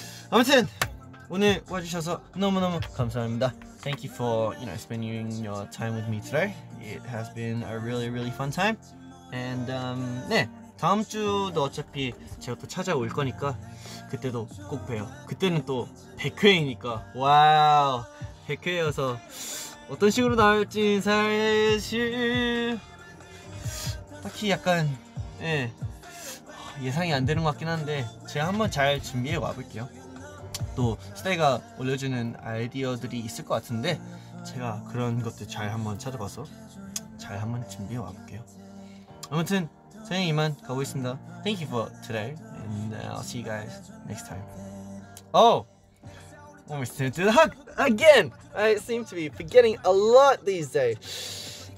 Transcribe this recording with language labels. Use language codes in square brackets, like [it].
[ko] 아무튼 오늘 와주셔서 너무너무 감사합니다. [en] Thank you for you know spending your time with me today. It has been a really really fun time. [ko] And 네 다음 주도 어차피 제가 또 찾아올 거니까 그때도 꼭 봬요. 그때는 또 100회이니까 와우 100회여서 어떤 식으로 나올지 사실 딱히 약간 예. 예상이 안 되는 것 같긴 한데 제가 한번 잘 준비해 와볼게요. 또 스테이가 올려주는 아이디어들이 있을 것 같은데 제가 그런 것들 잘 한번 찾아봐서 잘 한번 준비해 와볼게요. 아무튼 저는 이만 가보겠습니다. [en] Thank you for today and I'll see you guys next time. Oh, almost did the hug again. I seem to be forgetting a lot these days.